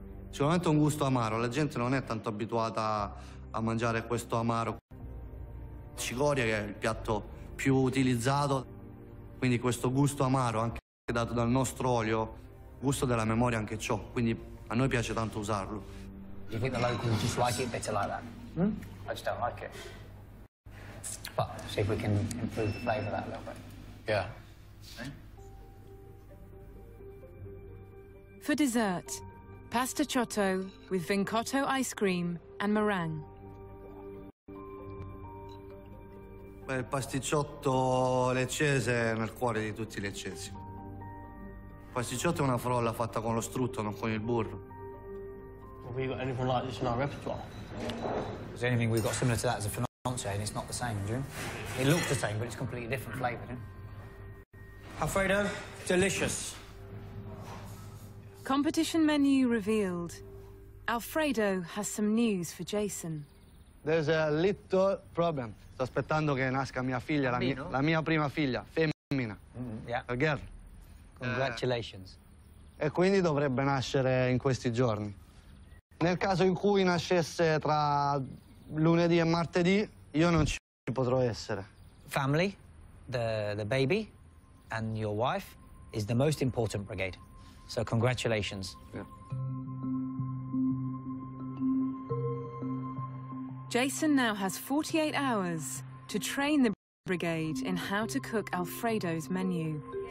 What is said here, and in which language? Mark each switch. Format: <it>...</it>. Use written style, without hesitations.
<it>Sicuramente un gusto amaro, la gente non è tanto abituata a mangiare questo amaro. Cicoria, che è il piatto più utilizzato, quindi questo gusto amaro, anche dato dal nostro olio, gusto della memoria anche ciò, quindi a noi piace tanto usarlo.</it> <en>You think the locals just like it better like that? Hmm? I just don't like it. But see if we can improve the flavour that a little bit. Yeah. For dessert, pasta ciotto with vincotto ice cream and meringue.</en> <it>Il pasticciotto leccese è nel cuore di tutti i leccesi. Il pasticciotto è una frolla fatta con lo strutto, non con il burro.</it> <en>Have we got anything like this in our repertoire? Is there anything we've got similar to that as a financier and it's not the same, do you? It looks the same, but it's completely different flavour, eh? Alfredo, delicious. Competition menu revealed. Alfredo has some news for Jason. There's a little problem.</en> <it>Sto aspettando che nasca mia figlia, la mia prima figlia, femmina. Mm,</it> <en>yeah. A girl. Congratulations.</en> <it>E quindi dovrebbe nascere in questi giorni. Nel caso in cui nascesse tra lunedì e martedì, io non ci potrò essere.</it> <en>Family, the baby, and your wife is the most important brigade. So congratulations. Yeah. Jason now has 48 hours to train the brigade in how to cook Alfredo's menu.</en>